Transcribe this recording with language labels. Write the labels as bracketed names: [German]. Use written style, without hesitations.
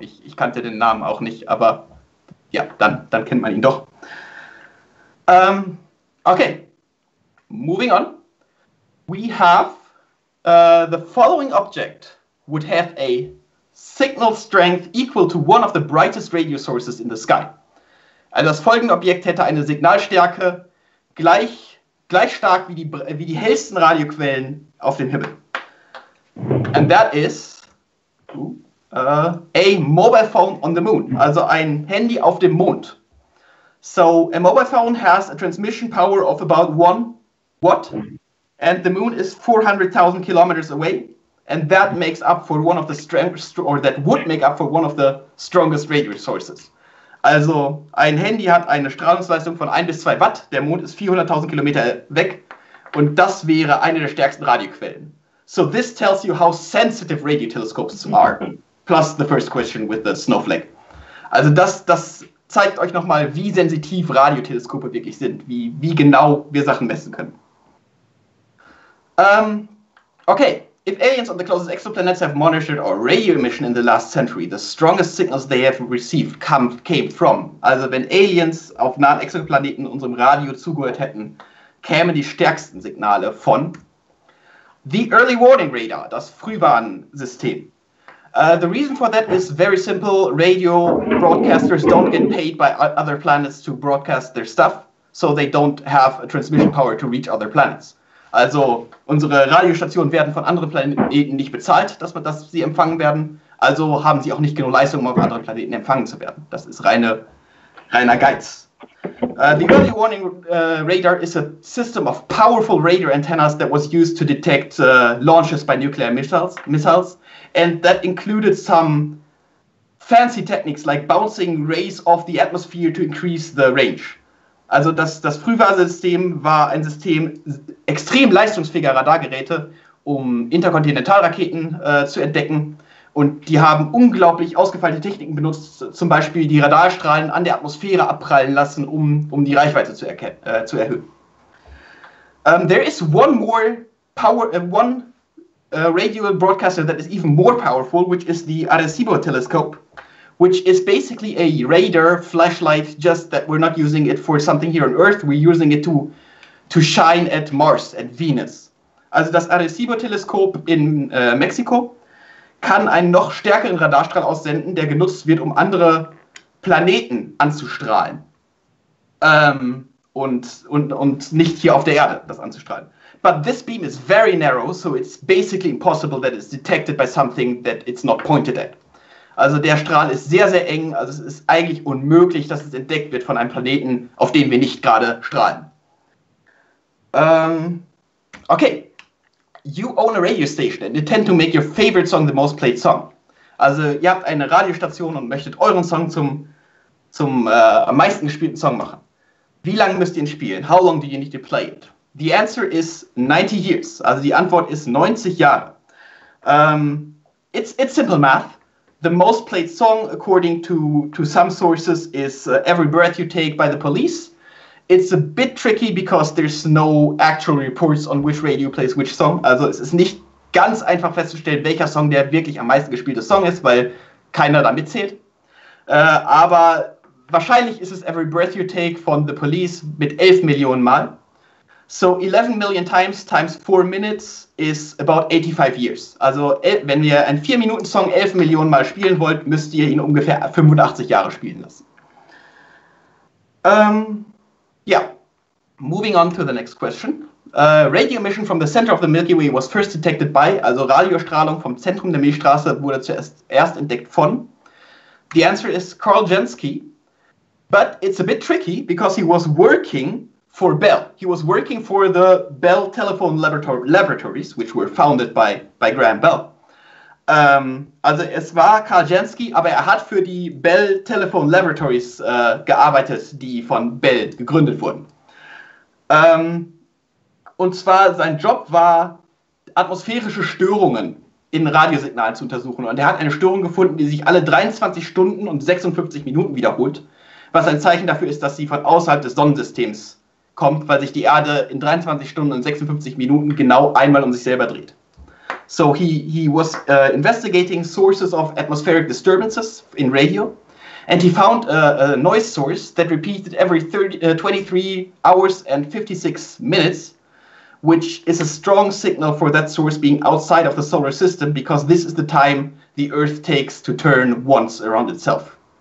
[German] Ich kannte den Namen auch nicht, aber ja, dann kennt man ihn doch. [English] Okay, moving on, we have the following object would have a signal strength equal to one of the brightest radio sources in the sky. [German] Also das folgende Objekt hätte eine Signalstärke gleich stark wie die hellsten Radioquellen auf dem Himmel. [English] And that is a mobile phone on the moon, [German] also ein Handy auf dem Mond. [English] So, a mobile phone has a transmission power of about 1 watt, and the moon is 400,000 kilometers away, and that makes up for one of the strongest, or that would make up for one of the strongest radio sources. [German] Also, ein Handy hat eine Strahlungsleistung von 1 bis 2 Watt, der Mond ist 400,000 Kilometer weg, und das wäre eine der stärksten Radioquellen. [English] So, this tells you how sensitive radio telescopes are, plus the first question with the snowflake. [German] Also, das zeigt euch nochmal, wie sensitiv Radioteleskope wirklich sind, wie genau wir Sachen messen können. [English] Okay, if aliens on the closest exoplanets have monitored our radio emission in the last century, the strongest signals they have received came from. [German] Also wenn Aliens auf nahen Exoplaneten unserem Radio zugehört hätten, kämen die stärksten Signale von the Early Warning Radar, das Frühwarnsystem. [English] The reason for that is very simple. Radio broadcasters don't get paid by other planets to broadcast their stuff, so they don't have a transmission power to reach other planets. [German] Also, unsere Radiostationen werden von anderen Planeten nicht bezahlt, dass sie empfangen werden. Also haben sie auch nicht genug Leistung, um auf anderen Planeten empfangen zu werden. Das ist reiner Geiz. [English] The Early Warning Radar is a system of powerful radio antennas that was used to detect launches by nuclear missiles. And that included some fancy techniques like bouncing rays off the atmosphere to increase the range. [German] Also das Frühwarnsystem war ein System extrem leistungsfähiger Radargeräte, um Interkontinentalraketen zu entdecken. Und die haben unglaublich ausgefeilte Techniken benutzt, zum Beispiel die Radarstrahlen an der Atmosphäre abprallen lassen, um die Reichweite zu erhöhen. [English] There is one more power, radio broadcaster that is even more powerful, which is the Arecibo telescope, which is basically a radar flashlight, just that we're not using it for something here on Earth, we're using it to shine at Mars and Venus. [German] Also das Arecibo Teleskop in Mexiko kann einen noch stärkeren Radarstrahl aussenden, der genutzt wird, um andere Planeten anzustrahlen. Und nicht hier auf der Erde das anzustrahlen. [English] But this beam is very narrow, so it's basically impossible that it's detected by something that it's not pointed at. [German] Also der Strahl ist sehr, sehr eng, also es ist eigentlich unmöglich, dass es entdeckt wird von einem Planeten, auf den wir nicht gerade strahlen. [English] Okay, you own a radio station and intend to make your favorite song the most played song. [German] Also ihr habt eine Radiostation und möchtet euren Song zum am meisten gespielten Song machen. Wie lange müsst ihr ihn spielen? [English] How long do you need to play it? The answer is 90 years. [German] Also die Antwort ist 90 Jahre. [English] It's simple math. the most played song, according to some sources, is Every Breath You Take by the Police. It's a bit tricky because there's no actual reports on which radio plays which song. [German] Also es ist nicht ganz einfach festzustellen, welcher Song der wirklich am meisten gespielte Song ist, weil keiner da mitzählt. Aber wahrscheinlich ist es Every Breath You Take von The Police mit 11 Millionen Mal. [English] So 11 million times times 4 minutes is about 85 years. [German] Also wenn ihr einen 4-Minuten-Song 11 Millionen Mal spielen wollt, müsst ihr ihn ungefähr 85 Jahre spielen lassen. [English] Moving on to the next question. Radio emission from the center of the Milky Way was first detected by, [German] also Radiostrahlung vom Zentrum der Milchstraße wurde zuerst entdeckt von. [English] The answer is Carl Jansky. But it's a bit tricky because he was working for Bell. He was working for the Bell Telephone Laboratories, which were founded by Graham Bell. [German] Also es war Carl Jansky, aber er hat für die Bell Telephone Laboratories gearbeitet, die von Bell gegründet wurden. Und zwar sein Job war, atmosphärische Störungen in Radiosignalen zu untersuchen. Und er hat eine Störung gefunden, die sich alle 23 Stunden und 56 Minuten wiederholt, was ein Zeichen dafür ist, dass sie von außerhalb des Sonnensystems kommt, weil sich die Erde in 23 Stunden und 56 Minuten genau einmal um sich selber dreht. [English] So he was investigating sources of atmospheric disturbances in radio, and he found a noise source that repeated every 23 hours and 56 minutes, which is a strong signal for that source being outside of the solar system, because this is the time the Earth takes to turn once around itself.